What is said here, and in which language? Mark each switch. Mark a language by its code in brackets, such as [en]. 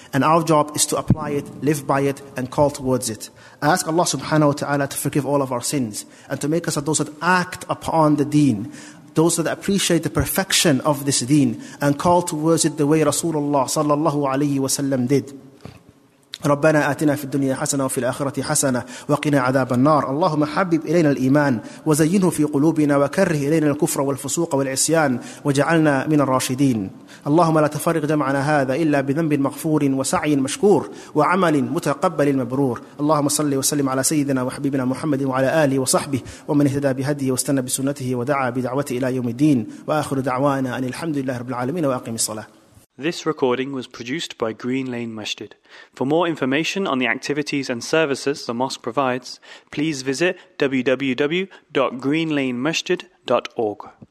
[en] And our job is to apply it, live by it, and call towards it. I ask Allah subhanahu wa ta'ala to forgive all of our sins and to make us of those that act upon the deen, those that appreciate the perfection of this deen and call towards it the way Rasulullah sallallahu alayhi wa sallam did. [ar] ربنا آتنا في الدنيا حسنة وفي الآخرة حسنة وقنا عذاب النار اللهم حبب إلينا الإيمان وزينه في قلوبنا وكره إلينا الكفر والفسوق والعصيان وجعلنا من الراشدين اللهم لا تفرق جمعنا هذا إلا بذنب مغفور وسعي مشكور وعمل متقبل مبرور اللهم صل وسلم على سيدنا وحبيبنا محمد وعلى آله وصحبه ومن اهتدى بهديه واستنى بسنته ودعا بدعوته إلى يوم الدين وآخر دعوانا أن الحمد لله رب العالمين وأقم الصلاة. [en] This recording was produced by Green Lane Masjid. For more information on the activities and services the mosque provides, please visit www.greenlanemasjid.org.